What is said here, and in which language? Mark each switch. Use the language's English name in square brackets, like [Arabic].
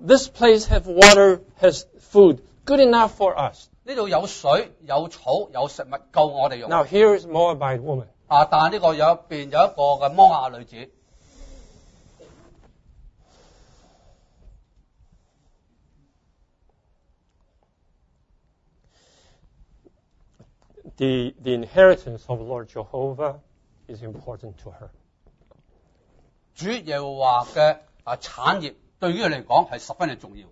[English] this place has water, has food, good enough for us. [Chinese] 这里有水, 有草, 有食物, [English] now here is Moabite woman. [Chinese] 啊, 但这个有一边有一个摩亚女子, [English] The inheritance of Lord Jehovah is important to her. [Chinese] 主耶和华的产业对于她来说是十分重要.